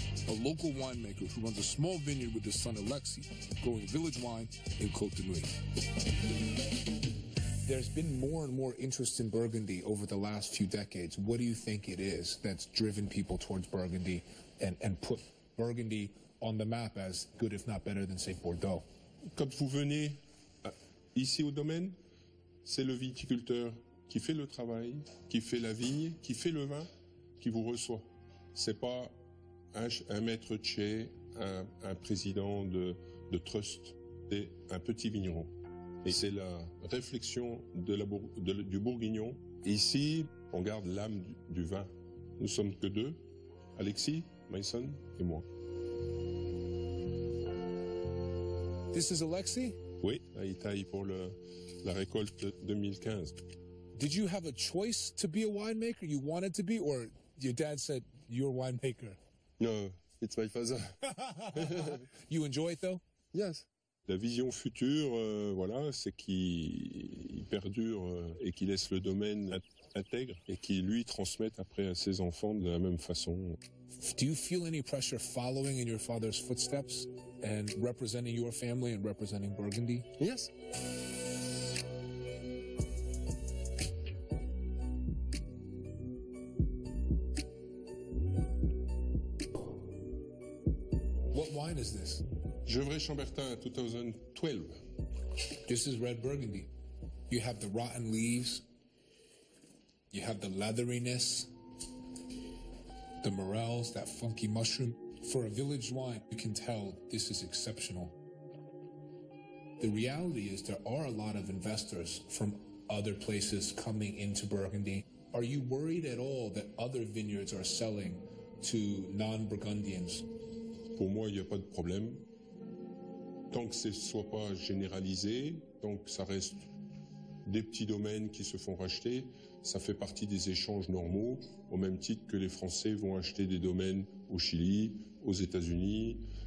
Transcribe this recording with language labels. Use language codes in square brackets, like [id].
[en] a local winemaker who runs a small vineyard with his son Alexi, growing village wine in Côte d'Ivoire. There's been more and more interest in Burgundy over the last few decades. What do you think it is that's driven people towards Burgundy and put Burgundy on the map as good, if not better, than, say, Bordeaux? [fr] Quand vous venez ici au domaine, c'est le viticulteur qui fait le travail, qui fait la vigne, qui fait le vin, qui vous reçoit. C'est pas un maître de chez, un président de trust, c'est un petit vigneron. Et c'est la réflexion du bourguignon. Ici, on garde l'âme du vin. Nous sommes que deux, Alexis, Mason et moi. [en] This is Alexis? [fr] Oui, il taille pour la récolte 2015. [en] Did you have a choice to be a winemaker? You wanted to be, or your dad said you're a winemaker? No, it's my father. You enjoy it though? Yes. [fr] La vision future, voilà, c'est qu'il perdure et qu'il laisse le domaine intègre et qu'il lui transmette après à ses enfants de la même façon. [en] Do you feel any pressure following in your father's footsteps and representing your family and representing Burgundy? Yes. What wine is this? [fr] Gevrey Chambertin, 2012. [en] This is red Burgundy. You have the rotten leaves. You have the leatheriness. The morels, that funky mushroom. For a village wine, you can tell this is exceptional. The reality is there are a lot of investors from other places coming into Burgundy. Are you worried at all that other vineyards are selling to non-Burgundians? [fr] Pour moi, il n'y a pas de problème. Tant que ce ne soit pas généralisé, tant que ça reste des petits domaines qui se font racheter, ça fait partie des échanges normaux, au même titre que les Français vont acheter des domaines au Chili, aux États-Unis.